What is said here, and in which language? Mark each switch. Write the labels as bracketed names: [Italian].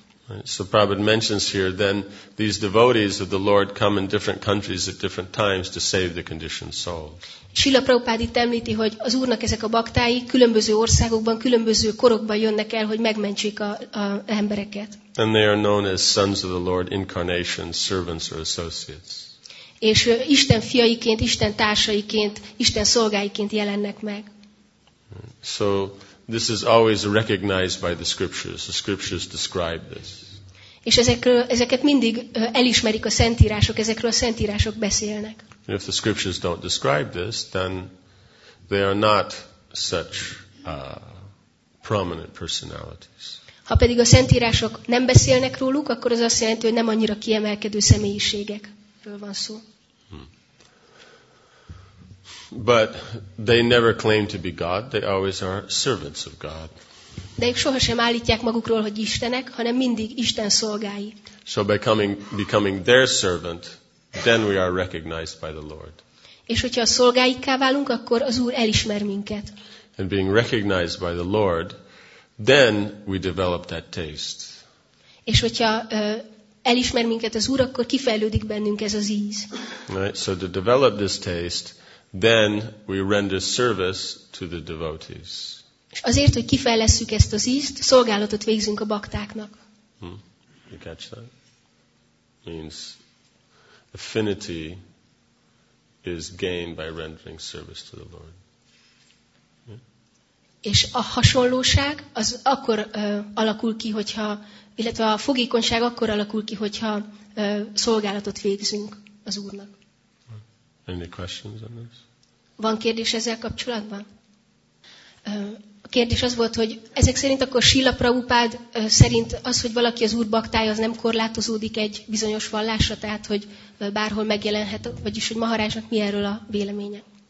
[English] Right. So Prabhupada mentions here, then these devotees of the Lord come in different countries at different times to save the conditioned souls. [Hungarian] Srila Prabhupád itt említi, hogy az Úrnak ezek a baktái különböző országokban, különböző korokban jönnek el, hogy megmentsék a embereket. [English] And they are known as sons of the Lord, incarnations, servants or associates. [Hungarian] És Isten fiaiként, Isten társaiként, Isten szolgáiként jelennek meg. [English] So this is always recognized by the scriptures. The scriptures describe this. [Hungarian] És ezeket mindig elismerik a szentírások, ezekről a szentírások beszélnek. [English] If the scriptures don't describe this, then they are not such prominent personalities. [Hungarian] Ha pedig a szentírások nem beszélnek róluk, akkor az azt jelenti, hogy nem annyira kiemelkedő személyiségekről van szó. [English] But they never claim to be God. They always are servants of God. [Hungarian] De ők sohasem állítják magukról, hogy istenek, hanem mindig Isten szolgái. [English] So becoming their servant, then we are recognized by the Lord. [Hungarian] És hogyha a szolgáikká válunk, akkor az Úr elismer minket. [English] And being recognized by the Lord, then we develop that taste. [Hungarian] És hogyha elismer minket az Úr, akkor kifejlődik bennünk ez az íz. [English] Right? So to develop this taste, then we render service to the devotees. [Hungarian] És azért, hogy kifejlesszük ezt az ízt, szolgálatot végzünk a baktáknak. [English] You catch that? Means affinity is gained by rendering service to the Lord. [Hungarian] És a hasonlóság az akkor alakul ki, hogyha, illetve a fogékonyság akkor alakul ki, hogyha szolgálatot végzünk az Úrnak. [English] Any questions on this? [Hungarian] Van kérdés ezzel kapcsolatban? A kérdés az volt, hogy ezek szerint akkor Srila Prabhupád szerint az, hogy valaki az Úr baktája, az nem korlátozódik egy bizonyos vallásra, tehát hogy bárhol megjelenhet, vagyis hogy Maharajnak mi erről a véleménye?